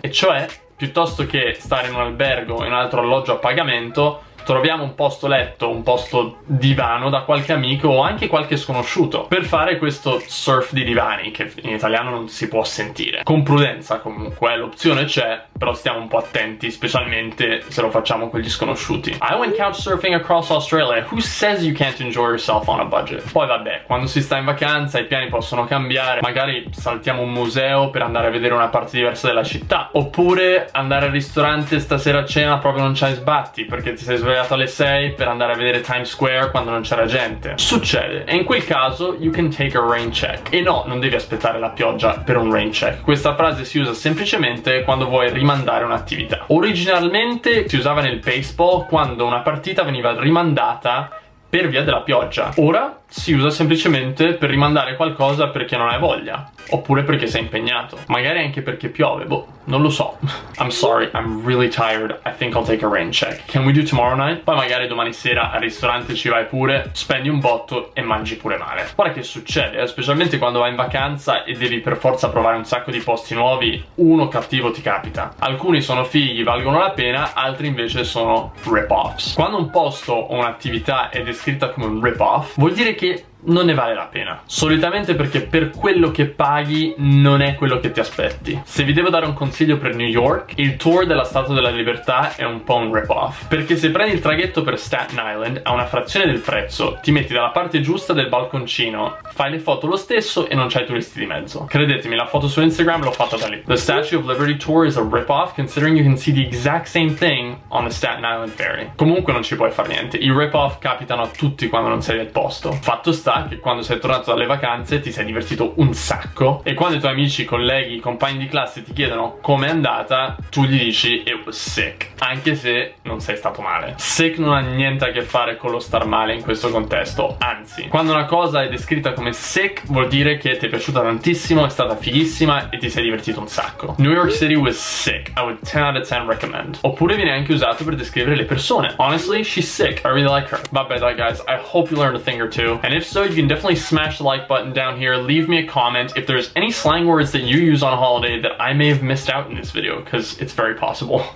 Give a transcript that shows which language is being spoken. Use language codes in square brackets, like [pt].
[it] E cioè, piuttosto che stare in un albergo o in un altro alloggio a pagamento, troviamo un posto letto, un posto divano da qualche amico o anche qualche sconosciuto, per fare questo surf di divani, che in italiano non si può sentire. Con prudenza comunque, l'opzione c'è, però stiamo un po' attenti, specialmente se lo facciamo con gli sconosciuti. [en] I went couch surfing across Australia. Who says you can't enjoy yourself on a budget? [it] Poi vabbè, quando si sta in vacanza i piani possono cambiare. Magari saltiamo un museo per andare a vedere una parte diversa della città, oppure andare al ristorante stasera a cena proprio non c'hai sbatti, perché ti sei svegliato alle 6 per andare a vedere Times Square quando non c'era gente. Succede, e in quel caso [en] you can take a rain check. [it] E no, non devi aspettare la pioggia per un rain check. Questa frase si usa semplicemente quando vuoi rimandare un'attività. Originalmente si usava nel baseball quando una partita veniva rimandata per via della pioggia. Ora si usa semplicemente per rimandare qualcosa perché non hai voglia, oppure perché sei impegnato, magari anche perché piove, boh, non lo so. [en] I'm sorry, I'm really tired, I think I'll take a rain check. Can we do tomorrow night? [it] Poi magari domani sera al ristorante ci vai pure, spendi un botto e mangi pure male. Guarda che succede, specialmente quando vai in vacanza e devi per forza provare un sacco di posti nuovi, uno cattivo ti capita. Alcuni sono fighi, valgono la pena, altri invece sono rip-offs. Quando un posto o un'attività è descritta come un rip-off, vuol dire che non ne vale la pena. Solitamente perché per quello che paghi non è quello che ti aspetti. Se vi devo dare un consiglio per New York, il tour della Statua della Libertà è un po' un rip-off. Perché se prendi il traghetto per Staten Island a una frazione del prezzo, ti metti dalla parte giusta del balconcino, fai le foto lo stesso e non c'hai turisti di mezzo. Credetemi, la foto su Instagram l'ho fatta da lì. [en] The Statue of Liberty tour is a rip-off, considering you can see the exact same thing on the Staten Island ferry. [it] Comunque non ci puoi fare niente. I rip-off capitano a tutti quando non sei nel posto. Fatto che quando sei tornato dalle vacanze ti sei divertito un sacco, e quando i tuoi amici, colleghi, compagni di classe ti chiedono com'è andata, tu gli dici [en] it was sick, [it] anche se non sei stato male. Sick non ha niente a che fare con lo star male in questo contesto, anzi, quando una cosa è descritta come sick vuol dire che ti è piaciuta tantissimo, è stata fighissima e ti sei divertito un sacco. [en] New York City was sick, I would 10 out of 10 recommend. [it] Oppure viene anche usato per descrivere le persone. [en] Honestly, she's sick, I really like her. My bad guys, I hope you learned a thing or two, and if so, you can definitely smash the like button down here. Leave me a comment if there's any slang words that you use on a holiday that I may have missed out in this video, because it's very possible.